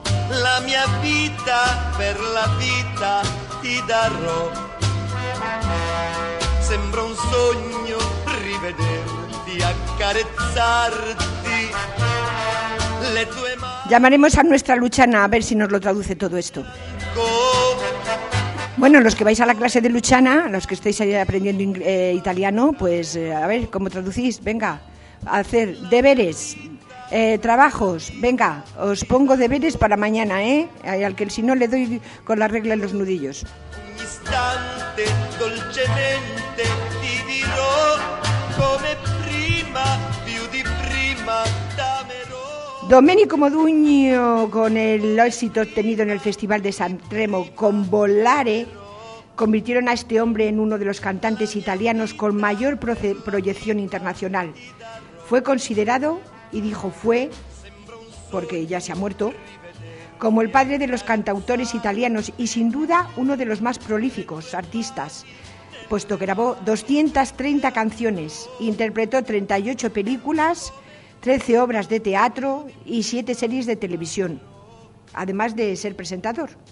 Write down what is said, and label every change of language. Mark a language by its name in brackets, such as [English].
[Italian] La mia vita per la vita ti darò. Sembra un sogno rivederti, accarezzarti. Le tue mani. [Spanish] Llamaremos a nuestra Luchana a ver si nos lo traduce todo esto. Bueno, los que vais a la clase de Luchana, los que estáis aprendiendo italiano, pues a ver cómo traducís. Venga, hacer deberes. Trabajos, venga, os pongo deberes para mañana, ¿eh? Al que si no le doy con la regla en los nudillos. [Italian] Un instante, dolcemente, ti dirò come prima, più di prima, damerò. [Spanish] Domenico Modugno, con el éxito obtenido en el Festival de San Remo con Volare, convirtieron a este hombre en uno de los cantantes italianos con mayor proyección internacional. Fue considerado, y dijo fue, porque ya se ha muerto, como el padre de los cantautores italianos y sin duda uno de los más prolíficos artistas, puesto que grabó 230 canciones, interpretó 38 películas, 13 obras de teatro y 7 series de televisión, además de ser presentador.